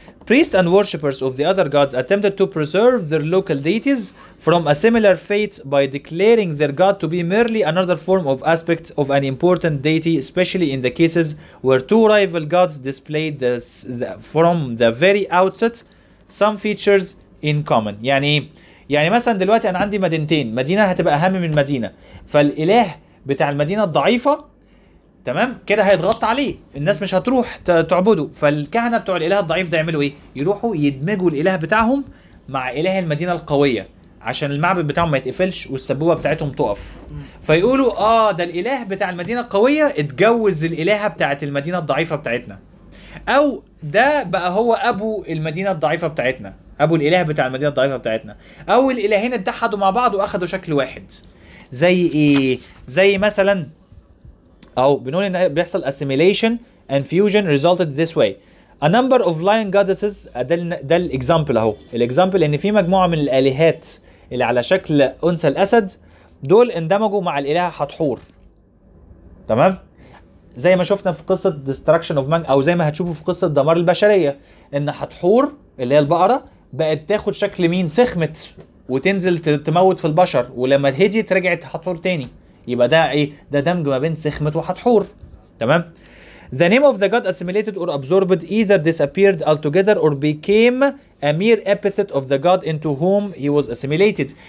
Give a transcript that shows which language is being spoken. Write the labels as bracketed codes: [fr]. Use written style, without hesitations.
[en] Priests and worshippers of the other gods attempted to preserve their local deities from a similar fate by declaring their god to be merely another form of aspect of an important deity, especially in the cases where two rival gods displayed this, from the very outset some features in common. [ar] يعني مثلا دلوقتي أنا عندي مدينتين، مدينة هتبقى أهم من مدينة، فالإله بتاع المدينة الضعيفة، تمام كده، هيتغطى عليه، الناس مش هتروح تعبده، فالكهنه بتوع الاله الضعيف ده يعملوا ايه؟ يروحوا يدمجوا الاله بتاعهم مع اله المدينه القويه عشان المعبد بتاعهم ما يتقفلش والسبوبه بتاعتهم تقف، فيقولوا اه ده الاله بتاع المدينه القويه اتجوز الالهه بتاعت المدينه الضعيفه بتاعتنا، او ده بقى هو ابو المدينه الضعيفه بتاعتنا، ابو الاله بتاع المدينه الضعيفه بتاعتنا، او الالهين اتحدوا مع بعض واخدوا شكل واحد. زي ايه؟ زي مثلا أو بنقول إن بيحصل [en] assimilation and fusion resulted this way. A number of lion goddesses [ar] ده الإكزامبل أهو. الإكزامبل إن في مجموعة من الآلهات اللي على شكل أنثى الأسد دول اندمجوا مع الإله حتحور. تمام؟ زي ما شفنا في قصة [en] destruction of man [ar] أو زي ما هتشوفوا في قصة دمار البشرية، إن حتحور اللي هي البقرة بقت تاخد شكل مين؟ سخمة، وتنزل تموت في البشر، ولما هديت رجعت حتحور تاني. يبقى ده ايه؟ ده دمج ما بين سخمة وحتحور، تمام؟ [en] The name of the god assimilated or absorbed either disappeared altogether or became a mere epithet of the god into whom he was assimilated.